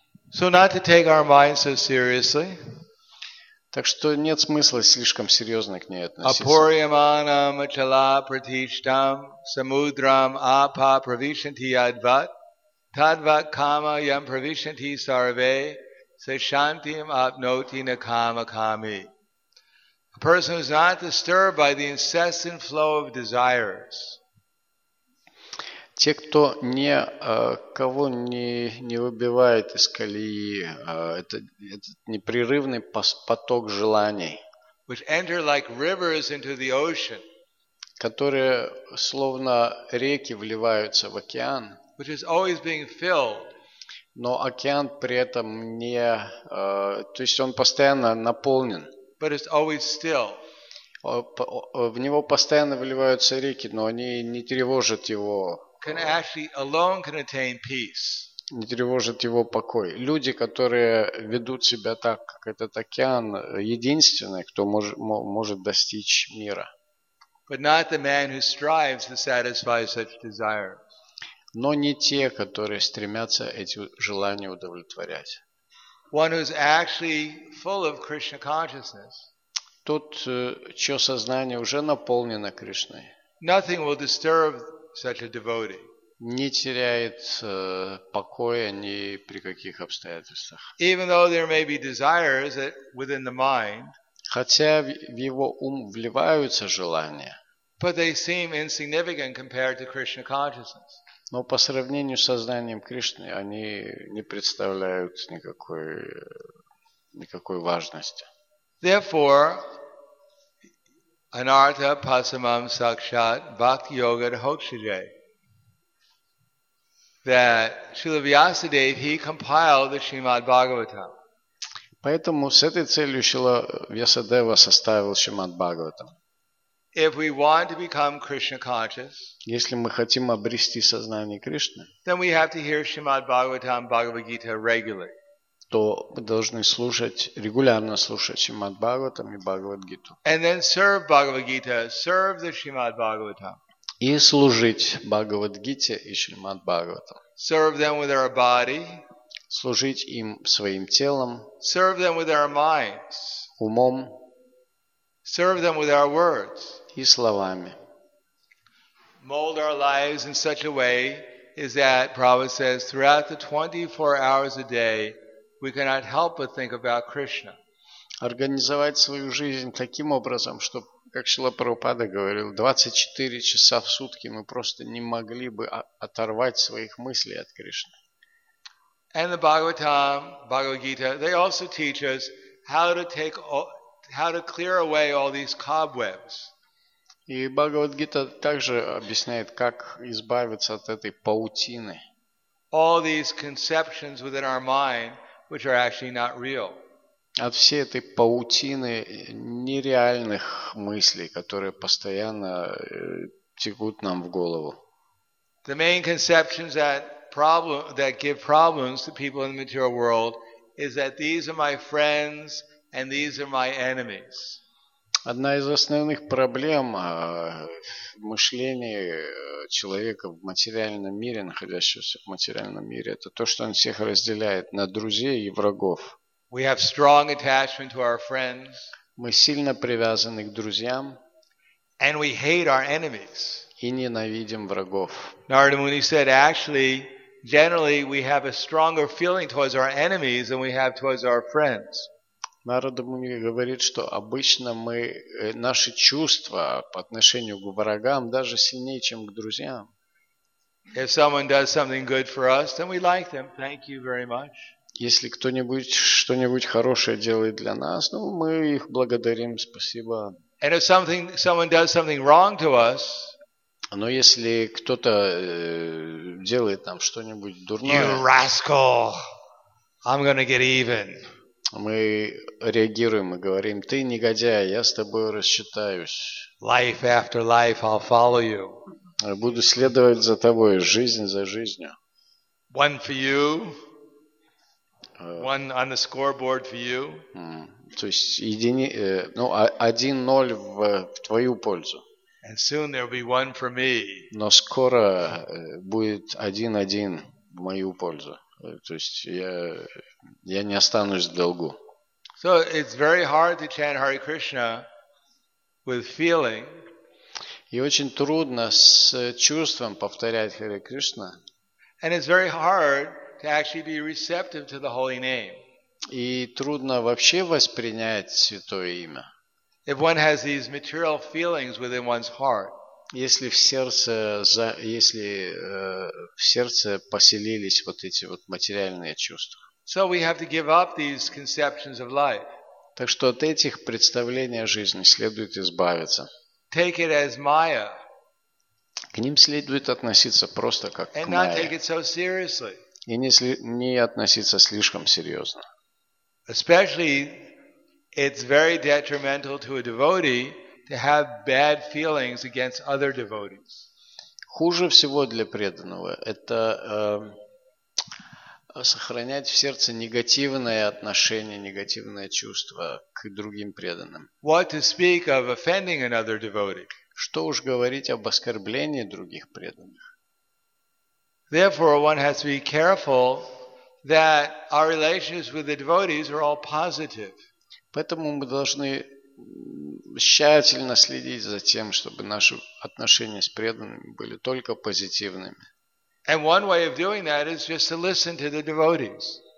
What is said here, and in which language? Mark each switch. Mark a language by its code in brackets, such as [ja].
[en] So not to take our minds so seriously. [ru] Так что нет смысла слишком серьезно к ней относиться. [sa] Апуриманам ачала пратиштам самудрам апа правишанти адват тадват кама ям правишанти сарве сешантим апноти накама ками. [en] A person who is not disturbed by the incessant flow of desires. [ru] Те, кто не кого не выбивает из колеи, этот непрерывный поток желаний, [en] which enter like rivers into the ocean, [ru] которые словно реки вливаются в океан, [en] which is always being filled, [ru] но океан при этом не, то есть он постоянно наполнен, [en] but it's always still. [ru] В него постоянно вливаются реки, но они не тревожат его. [en] Can actually alone can attain peace. [ru] Не тревожит его покой. Люди, которые ведут себя так, как этот океан, единственные, кто может достичь мира. [en] But not the man who strives to satisfy such desires. [ru] Но не те, которые стремятся эти желания удовлетворять. [en] One who is actually full of Krishna consciousness. [ru] Тот, чье сознание уже наполнено Кришной. [en] Nothing will disturb such a devotee. [ru] Не теряет покоя ни при каких обстоятельствах. [en] Even though there may be desires that within the mind, [ru] хотя в его ум вливаются желания, [en] but they seem insignificant compared to Krishna consciousness. [ru] Но по сравнению с сознанием Кришны они не представляют никакой важности. [sa] Therefore, Anartha Pasamam Sakshat Bhakti Yoga Dhokshajay. [en] That Srila Vyasadeva, he compiled the Srimad Bhagavatam. [ru] Поэтому с этой целью Srila Vyasadeva составил Srimad Bhagavatam. [en] If we want to become Krishna conscious, [ru] если мы хотим обрести сознание Кришны, [en] then we have to hear Srimad Bhagavatam Bhagavad Gita regularly. [ru] То мы должны регулярно слушать Шримад Бхагаватам и Бхагавад Гиту. [en] And then serve Бхагавад Гита, serve the Шримад Бхагаватам. [ru] и служить Бхагавадгите и Шримад Бхагаватам. [en] Serve them with our body. [ru] Служить им своим телом. [en] Serve them with our minds. [ru] Умом. [en] Serve them with our words. [ru] И словами. [en] Mold our lives in such a way is that Prabhupada says throughout the 24 hours a day we cannot help but think about Krishna. [ru] Организовать свою жизнь таким образом, чтобы, как Шрила Прабхупада говорил, 24 часа в сутки мы просто не могли бы оторвать своих мыслей от Кришны. [en] And the Bhagavad Gita, they also teach us how to clear away all these cobwebs. [ru] И Бхагавад-гита также объясняет, как избавиться от этой паутины. [en] All these conceptions within our mind which are actually not real. [ru] От всей этой паутины нереальных мыслей, которые постоянно текут нам в голову. [en] The main conceptions that give problems to people in the material world is that these are my friends and these are my enemies. [ru] Одна из основных проблем мышления человека в материальном мире, находящегося в материальном мире, это то, что он всех разделяет на друзей и врагов. [en] We have strong attachment to our friends. [ru] Мы сильно привязаны к друзьям. [en] And we hate our enemies. [ru] И ненавидим врагов. [en] Narada Muni said, actually, generally we have a stronger feeling towards our enemies than we have towards our friends. [ru] Нарада Муни говорит, что обычно мы наши чувства по отношению к врагам даже сильнее, чем к друзьям. [en] If someone does something good for us, then we like them. Thank you very much. [ru] Если кто-нибудь что-нибудь хорошее делает для нас, ну, мы их благодарим, спасибо. [en] And if someone does something wrong to us, [ru] но если кто-то делает нам что-нибудь дурное, [en] you rascal, I'm gonna get even. [ru] Мы реагируем и говорим, ты негодяй, я с тобой рассчитаюсь. [en] Life after life, I'll follow you. [ru] Буду следовать за тобой, жизнь за жизнью. [en] One for you. One on the scoreboard for you. [ru] То есть один ноль в твою пользу. [en] And soon there'll be one for me. [ru] Но скоро будет 1-1 в мою пользу. То есть я не останусь в долгу. [en] So it's very hard to chant Hare Krishna with feeling. [ru] И очень трудно с чувством повторять Hare Krishna. [en] And it's very hard to actually be receptive to the holy name. [ru] И трудно вообще воспринять святое имя. [en] If one has these material feelings within one's heart. [ru] Если в сердце поселились вот эти вот материальные чувства. [en] So we have to give up these conceptions of life. [ru] Так что от этих представлений о жизни следует избавиться. [en] Take it as Maya. [ru] К ним следует относиться просто как к [en] Майе. And not take it so seriously. [ru] И не относиться слишком серьезно. [en] Especially, it's very detrimental to a devotee to have bad feelings against other devotees. [ru] Хуже всего для преданного это сохранять в сердце негативное отношение, негативное чувство к другим преданным. [en] What to speak of offending another devotee? [ru] Что уж говорить об оскорблении других преданных? [en] Therefore, one has to be careful that our relations with the devotees are all positive. [ru] Поэтому мы должны тщательно следить за тем, чтобы наши отношения с преданными были только позитивными. [en] And one way of doing that is just to listen to the devotees.